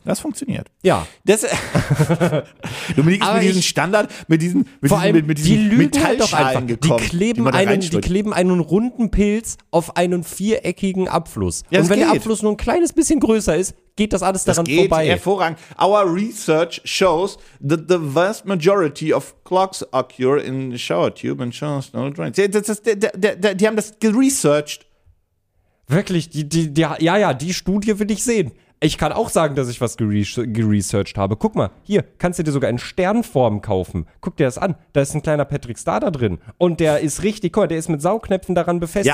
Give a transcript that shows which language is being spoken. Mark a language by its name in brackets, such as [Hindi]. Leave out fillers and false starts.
[German] Das funktioniert. Ja. Das Dominik ist mit diesem Standard, mit diesen die lügen halt doch einfach. Die kleben einen runden Pilz auf einen viereckigen Abfluss. Ja, und wenn geht. Der Abfluss nur ein kleines bisschen größer ist, geht das alles daran vorbei. Das geht hervorragend. [English] Our research shows that the vast majority of clogs occur in the shower tube and showers no drains. [German] Die haben das geresearched. Wirklich, die Studie will ich sehen. Ich kann auch sagen, dass ich was geresearched habe. Guck mal, hier kannst du dir sogar in Sternform kaufen. Guck dir das an. Da ist ein kleiner Patrick Star da drin. Und der ist richtig, guck mal, der ist mit Saugnäpfen daran befestigt.